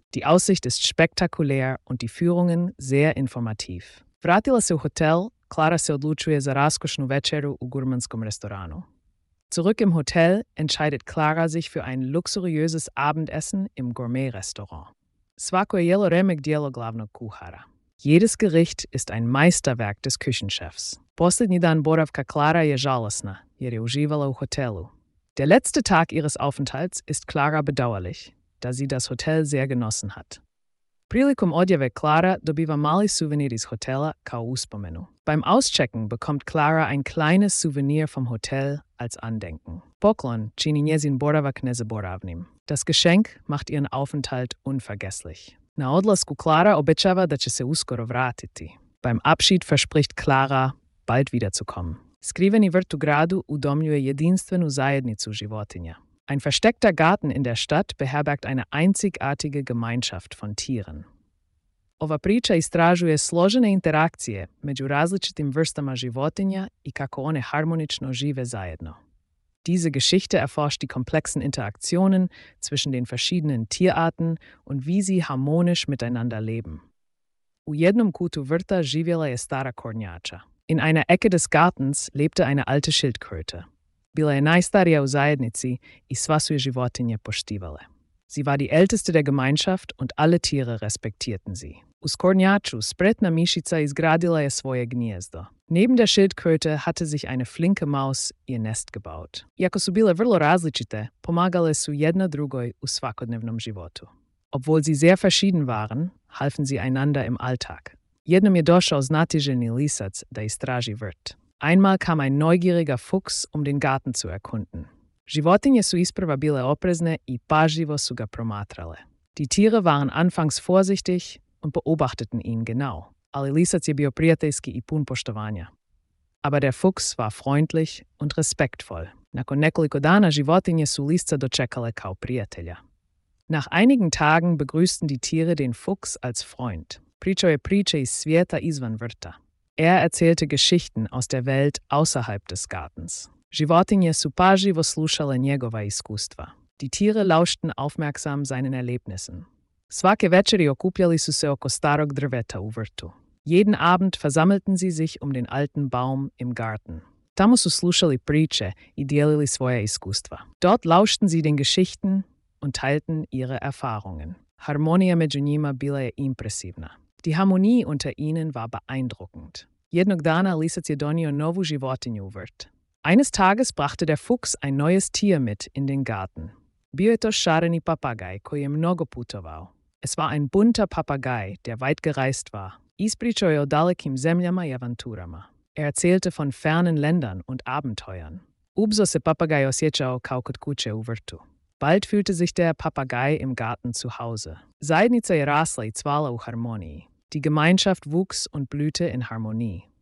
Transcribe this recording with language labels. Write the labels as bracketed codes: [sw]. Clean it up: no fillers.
[de] Die Aussicht ist spektakulär und die Führungen sehr informativ. [hr] Vratila se u hotel, Clara se odlučuje za raskošnu večeru u gurmanskom restoranu. [de] Zurück im Hotel entscheidet Clara sich für ein luxuriöses Abendessen im Gourmet-Restaurant. [hr] Svako je jelo remek djelo glavnog kuhara. [de] Jedes Gericht ist ein Meisterwerk des Küchenchefs. [hr] Posljednji dan boravka Clara je žalosna, jer je uživala u hotelu. [de] Der letzte Tag ihres Aufenthalts ist Clara bedauerlich, da sie das Hotel sehr genossen hat. [hr] Prilikom odjave Clara dobiva mali suvenir iz hotela kao uspomenu. [de] Beim Auschecken bekommt Clara ein kleines Souvenir vom Hotel als Andenken. [hr] Poklon čini njezin boravak nezaboravnim. [de] Das Geschenk macht ihren Aufenthalt unvergesslich. [hr] Na odlasku Clara obećava da će se uskoro vratiti. [de] Beim Abschied verspricht Clara, bald wiederzukommen. [hr] Skriveni vrt u gradu udomljuje jedinstvenu zajednicu životinja. [de] Ein versteckter Garten in der Stadt beherbergt eine einzigartige Gemeinschaft von Tieren. [hr] Ova priča istražuje složene interakcije među različitim vrstama životinja i kako one harmonično žive zajedno. [de] Diese Geschichte erforscht die komplexen Interaktionen zwischen den verschiedenen Tierarten und wie sie harmonisch miteinander leben. [hr] U jednom kutu vrta živjela je stara kornjača. [de] In einer Ecke des Gartens lebte eine alte Schildkröte. [hr] Bila je najstarija u zajednici i sva su je životinje poštivale. [de] Sie war die älteste der Gemeinschaft und alle Tiere respektierten sie. [hr] Uz kornjaču spretna mišica izgradila je svoje gnjezdo. [de] Neben der Schildkröte hatte sich eine flinke Maus ihr Nest gebaut. [hr] Iako su bile vrlo različite, pomagale su jedna drugoj u svakodnevnom životu. [de] Obwohl sie sehr verschieden waren, halfen sie einander im Alltag. [hr] Jednom je došao znatiželjni lisac da istraži vrt. [de] Einmal kam ein neugieriger Fuchs, um den Garten zu erkunden. [hr] Životinje su isprva bile oprezne i pažljivo su ga promatrale. [de] Die Tiere waren anfangs vorsichtig und beobachteten ihn genau. [hr] Ali lisac je bio prijateljski i pun poštovanja. [de] Aber der Fuchs war freundlich und respektvoll. [hr] Nakon nekoliko dana životinje su lisca dočekale kao prijatelja. [de] Nach einigen Tagen begrüßten die Tiere den Fuchs als Freund. [hr] Pričaju priče iz svijeta izvan vrta. [de] Er erzählte Geschichten aus der Welt außerhalb des Gartens. [hr] Životinje su pažljivo slušale njegova iskustva. [de] Die Tiere lauschten aufmerksam seinen Erlebnissen. [hr] Svake večeri okupljali su se oko starog drveta u vrtu. [de] Jeden Abend versammelten sie sich um den alten Baum im Garten. [hr] Tamo su slušali priče i dijelili svoje iskustva. [de] Dort lauschten sie den Geschichten und teilten ihre Erfahrungen. [hr] Harmonija među njima bila je impresivna. [de] Die Harmonie unter ihnen war beeindruckend. [hr] Jednog dana lisac je donio novu životinju u vrt. [de] Eines Tages brachte der Fuchs ein neues Tier mit in den Garten. [hr] Bio je to šareni papagaj koji je mnogo putovao. [de] Es war ein bunter Papagei, der weit gereist war. [hr] Ispričao je o dalekim zemljama i avanturama. [de] Er erzählte von fernen Ländern und Abenteuern. [hr] Ubso se papagaj osjećao kao kod kuće u vrtu. [de] Bald fühlte sich der Papagei im Garten zu Hause. [hr] Zajednica je rasla i cvala u harmoniji. [de] Die Gemeinschaft wuchs und blühte in Harmonie.